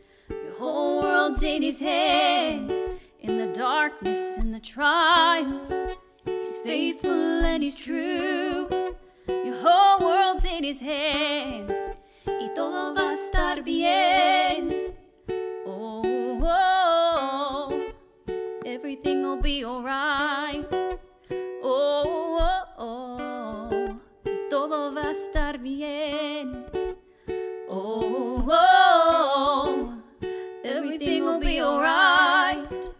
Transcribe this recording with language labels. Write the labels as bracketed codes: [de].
[en] Your whole world's in his hands. In the darkness and the trials, he's faithful and he's true. Your whole world's in his hands. [es] Y todo va a estar bien. [en] Oh, oh, everything will be alright. [es] Oh, oh, oh, y todo va a estar bien. [en] Oh, oh, everything will be alright.